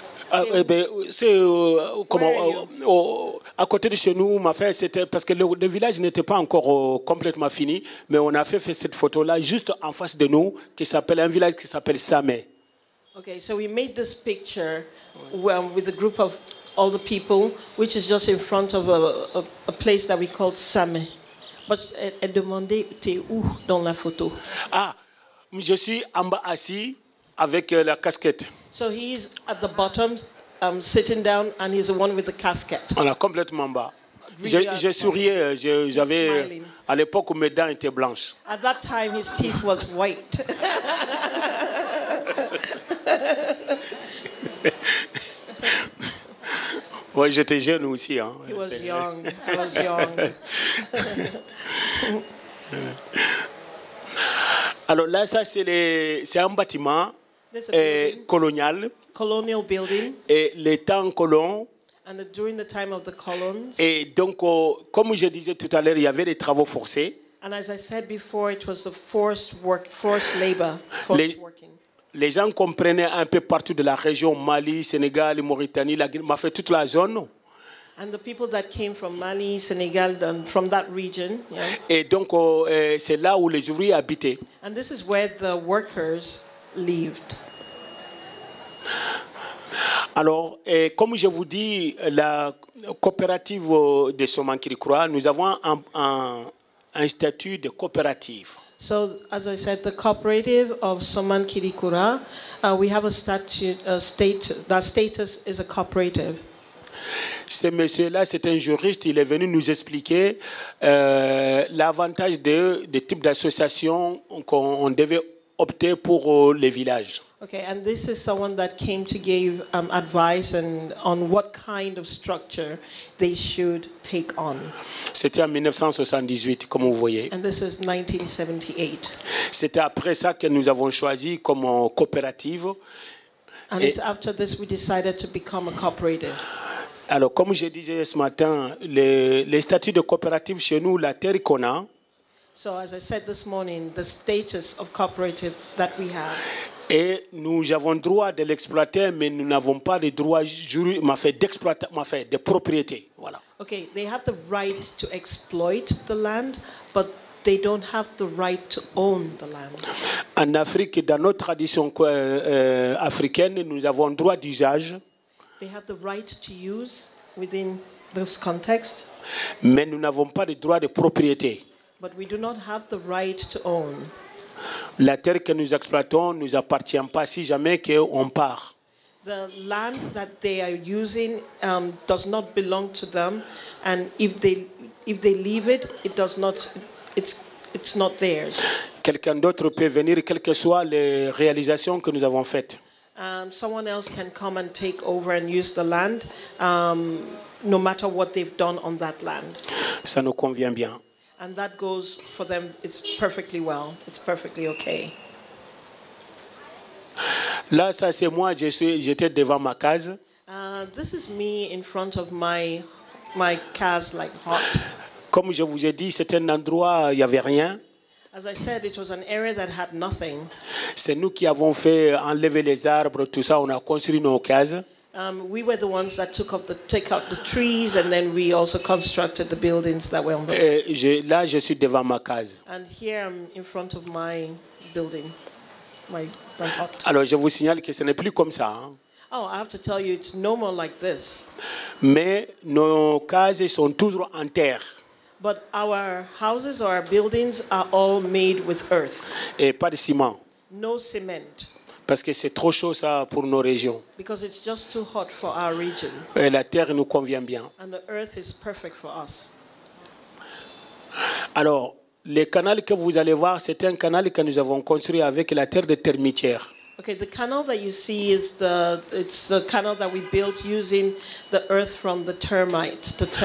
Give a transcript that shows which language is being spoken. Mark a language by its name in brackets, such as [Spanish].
[French] À côté de chez nous, ma fête, c'était parce que le village n'était pas encore complètement fini, mais on a fait cette photo-là juste en face de nous, qui s'appelle un village qui s'appelle Samé. [English] Okay, so we made this picture with a group of all the people, which is just in front of a place that we called Samé. [French] But elle demandait, t'es où dans la photo? Ah, je suis en bas assis avec la casquette. [English] So he's at the bottom, sitting down, and he's the one with the casket. [French] Voilà, complètement bas. Je souriais. J'avais smiling. À l'époque où mes dents étaient blanches. [English] At that time, his teeth was white. [French] Ouais, j'étais jeune aussi. Hein. [English] He was young. I was young. [French] Alors là, ça c'est un bâtiment colonial. [English] Colonial building. [French] Et les temps colons. [English] And during the time of the colons. [French] Et donc, comme je disais tout à l'heure, il y avait des travaux forcés. [English] And as I said before, it was the forced work, forced labor, forced working. [French] Les gens comprenaient un peu partout de la région, Mali, Sénégal, Mauritanie, la Guinée, fait toute la zone. [English] And the people that came from Mali, Senegal, from that region. Yeah. [French] Et donc, c'est là où les ouvriers habitaient. [English] And this is where the workers lived. [French] Alors, comme je vous dis, la coopérative de Somankidi Coura, nous avons un statut de coopérative. [English] So, as I said, the cooperative of Somankidi Coura, we have a statute, that status is a cooperative. [French] Ce monsieur-là, c'est un juriste, il est venu nous expliquer l'avantage des types d'associations qu'on devait opter pour les villages. [English] Okay, and this is someone that came to give advice and on what kind of structure they should take on. [French] C'était en 1978, comme vous voyez. [English] And this is 1978. [French] C'était après ça que nous avons choisi comme coopérative. [English] And it's after this we decided to become a cooperative. [French] Alors, comme je disais ce matin, les statuts de coopérative chez nous, la terre qu'on a. [English] So, as I said this morning, the status of cooperative that we have. [French] Et nous avons droit de l'exploiter, mais nous n'avons pas les droits juridiques, de propriété. Voilà. [English] Okay, they have the right to exploit the land, but they don't have the right to own the land. [French] En Afrique, dans notre tradition africaine, nous avons droit d'usage. [English] They have the right to use within this context. [French] Mais nous n'avons pas les droits de propriété. [English] But we do not have the right to own. [French] La terre que nous exploitons ne nous appartient pas si jamais qu'on part. [English] The land that they are using does not belong to them, and if they leave it, it does not, it's not theirs. [French] Quelqu'un d'autre peut venir, quelles que soient les réalisations que nous avons faites. [English] Someone else can come and take over and use the land, no matter what they've done on that land. [French] Ça nous convient bien. [English] And that goes for them, it's perfectly well, it's perfectly okay. [French] Là, ça c'est moi, j'étais devant ma case. [English] This is me in front of my case, like hot. [French] Comme je vous ai dit, c'était un endroit, il n'y avait rien. [English] As I said, it was an area that had nothing. [French] C'est nous qui avons fait enlever les arbres, tout ça, on a construit nos cases. [English] We were the ones that took out the trees, and then we also constructed the buildings that were on the. [French] Là, je suis devant ma case. [English] And here I'm in front of my building, my hut. [French] Alors, je vous signale que ce n'est plus comme ça. [English] Oh, I have to tell you, it's no more like this. [French] Mais nos cases sont toujours en terre. [English] But our houses or our buildings are all made with earth. [French] Et pas de ciment. [English] No cement. [French] Parce que c'est trop chaud ça pour nos régions. [English] Because it's just too hot for our region. [French] Et la terre nous convient bien. [English] And the earth is perfect for us. [French] Alors, le canal que vous allez voir, c'est un canal que nous avons construit avec la terre de termitière. [English] Okay, the canal that you see is the canal that we built using the earth from the termite,